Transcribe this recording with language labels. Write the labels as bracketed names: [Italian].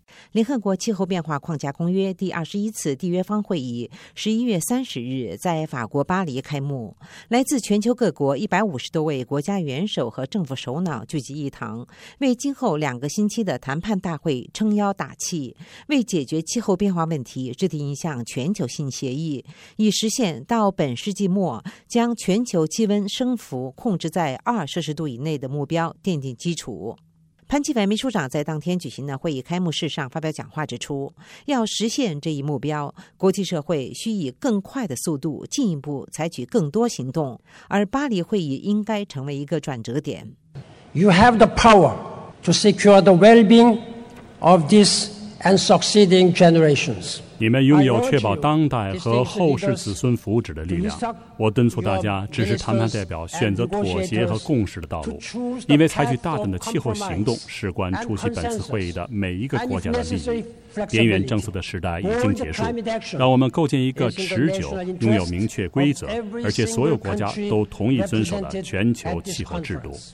[Chinese] 联合国气候变化框架公约第21次缔约方会议11月30日在法国巴黎开幕，来自全球各国150多位国家元首和政府首脑聚集一堂，为今后2个星期的谈判大会撑腰打气，为解决气候变化问题制定一项全球性协议，以实现到本世纪末将全球气温升幅控制在2摄氏度以内的目标奠定基础。潘基文秘书长在当天举行的会议开幕式上发表讲话，指出要实现这一目标，国际社会需以更快的速度进一步采取更多行动，而巴黎会议应该成为一个转折点。 [English] You have the power to secure the well-being of this and succeeding generations. [Chinese] 你们拥有确保当代和后世子孙福祉的力量，我敦促大家支持谈判代表选择妥协和共识的道路，因为采取大胆的气候行动事关出席本次会议的每一个国家的利益。边缘政策的时代已经结束，让我们构建一个持久、拥有明确规则而且所有国家都同意遵守的全球气候制度。